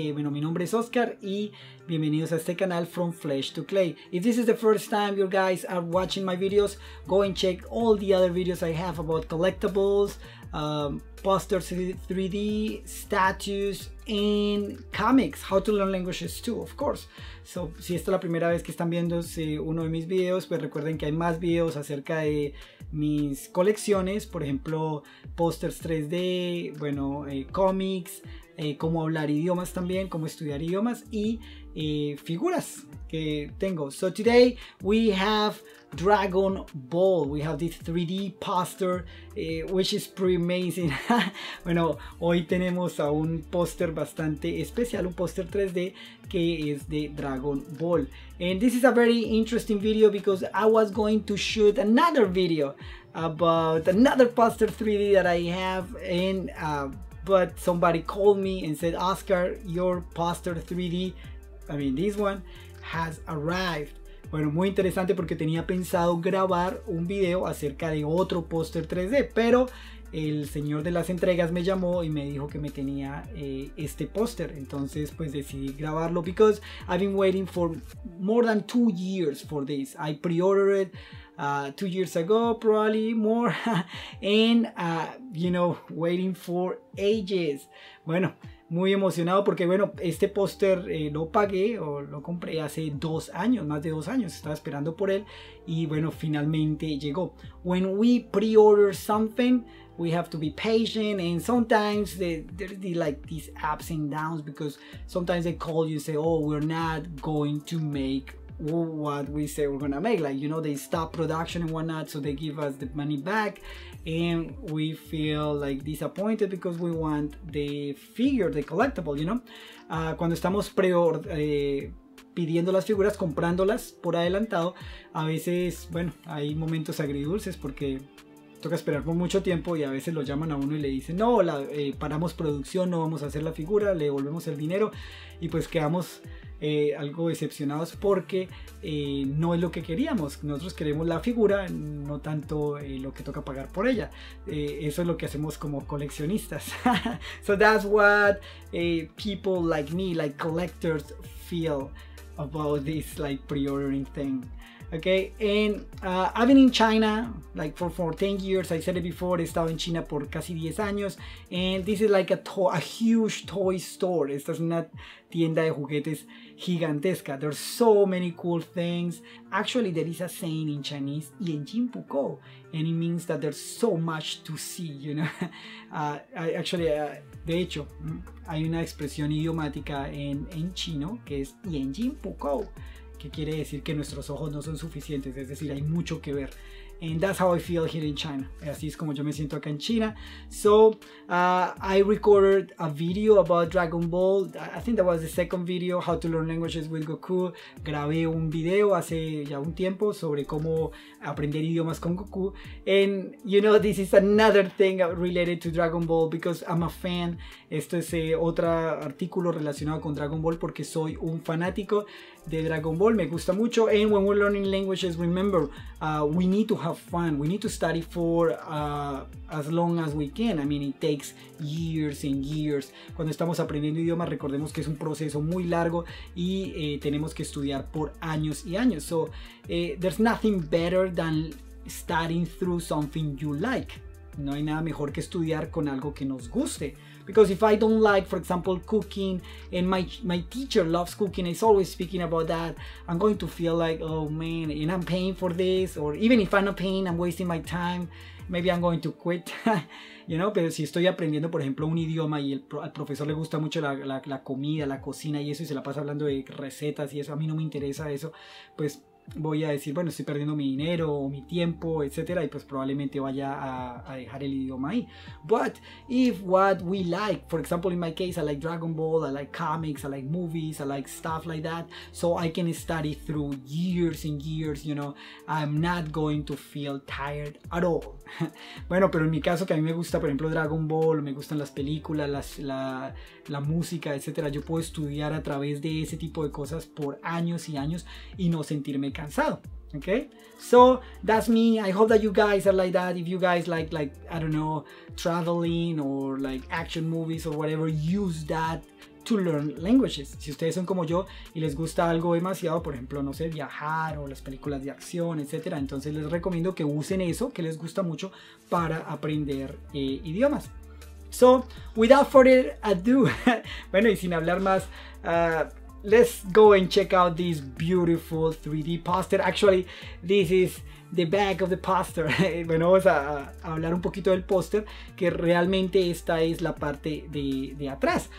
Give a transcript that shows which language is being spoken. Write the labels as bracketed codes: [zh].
[es] Bueno, mi nombre es Oscar y bienvenidos a este canal From Flesh to Clay. [en] If this is the first time you guys are watching my videos, go and check all the other videos I have about collectibles, posters, 3D, statues, and comics, how to learn languages too, of course. [es] So, si esta es la primera vez que están viendo uno de mis videos, pues recuerden que hay más videos acerca de mis colecciones, por ejemplo, posters 3D, bueno, comics, cómo hablar idiomas también, cómo estudiar idiomas y figuras que tengo. [en] So today we have Dragon Ball. We have this 3D poster, which is pretty amazing. [es] Bueno, hoy tenemos a un poster bastante especial, un poster 3D que es de Dragon Ball. [en] And this is a very interesting video because I was going to shoot another video about another poster 3D that I have in but somebody called me and said, Oscar, your poster 3D, I mean this one, has arrived. [es] Bueno, muy interesante porque tenía pensado grabar un video acerca de otro póster 3D, pero el señor de las entregas me llamó y me dijo que me tenía este póster. Entonces, pues decidí grabarlo [en] because I've been waiting for more than 2 years for this. I pre-ordered two years ago, probably more, and, you know, waiting for ages. [es] Bueno, muy emocionado porque, bueno, este póster lo pagué o lo compré hace 2 años, más de 2 años. Estaba esperando por él y, bueno, finalmente llegó. [en] When we pre-order something, we have to be patient, and sometimes there's like these ups and downs because sometimes they call you and say, oh, we're not going to make what we say we're gonna make, like, you know, they stop production and whatnot, so they give us the money back and we feel like disappointed because we want the figure, the collectible, you know. [es] Cuando estamos pidiendo las figuras, comprándolas por adelantado, a veces, bueno, hay momentos agridulces porque toca esperar por mucho tiempo y a veces lo llaman a uno y le dicen, no, paramos producción, no vamos a hacer la figura, le devolvemos el dinero y pues quedamos algo decepcionados porque no es lo que queríamos. Nosotros queremos la figura, no tanto lo que toca pagar por ella. Eso es lo que hacemos como coleccionistas. [en] So that's what people like me, like collectors, feel about this like pre-ordering thing. Okay, and I've been in China like for 10 years. I said it before, [es] he estado en China por casi 10 años. [en] And this is like a huge toy store. [es] Esta es una tienda de juguetes gigantesca. [en] There's so many cool things. Actually, there is a saying in Chinese, [zh] yan jin bu gou, [en] and it means that there's so much to see, you know. [es] De hecho, hay una expresión idiomática en chino que es [zh] yan jin bu gou, [es] que quiere decir que nuestros ojos no son suficientes, es decir, hay mucho que ver. [en] And that's how I feel here in China. [es] Así es como yo me siento acá en China. [en] So, I recorded a video about Dragon Ball. I think that was the second video, how to learn languages with Goku. [es] Grabé un video hace ya un tiempo sobre cómo aprender idiomas con Goku. [en] And, you know, this is another thing related to Dragon Ball because I'm a fan. [es] Esto es otro artículo relacionado con Dragon Ball porque soy un fanático de Dragon Ball. Me gusta mucho. [en] And when we're learning languages, remember, we need to have fun. We need to study for as long as we can. I mean, it takes years and years. [es] Cuando estamos aprendiendo idiomas, recordemos que es un proceso muy largo y tenemos que estudiar por años y años. [en] So, there's nothing better than studying through something you like. [es] No hay nada mejor que estudiar con algo que nos guste. [en] Because if I don't like, for example, cooking, and my teacher loves cooking, is always speaking about that, I'm going to feel like, oh man, and I'm paying for this, or even if I'm not paying, I'm wasting my time, maybe I'm going to quit. You know, [es] pero si estoy aprendiendo, por ejemplo, un idioma y al profesor le gusta mucho la comida, la cocina y eso, y se la pasa hablando de recetas y eso, a mí no me interesa eso, pues voy a decir, bueno, estoy perdiendo mi dinero o mi tiempo, etcétera, y pues probablemente vaya a dejar el idioma ahí. [en] But if what we like, for example, in my case, I like Dragon Ball, I like comics, I like movies, I like stuff like that, so I can study through years and years, you know, I'm not going to feel tired at all. [es] Bueno, pero en mi caso, que a mí me gusta, por ejemplo, Dragon Ball, me gustan las películas, la música, etcétera, yo puedo estudiar a través de ese tipo de cosas por años y años y no sentirme cansado. [en] Okay, so that's me. I hope that you guys are like that. If you guys like I don't know, traveling or like action movies or whatever, use that to learn languages. [es] Si ustedes son como yo y les gusta algo demasiado, por ejemplo, no sé, viajar o las películas de acción, etcétera, entonces les recomiendo que usen eso que les gusta mucho para aprender idiomas. [en] So, without further ado, [es] bueno, y sin hablar más, [en] let's go and check out this beautiful 3D poster. Actually, this is the back of the poster. [es] Bueno, vamos a hablar un poquito del póster, que realmente esta es la parte de atrás.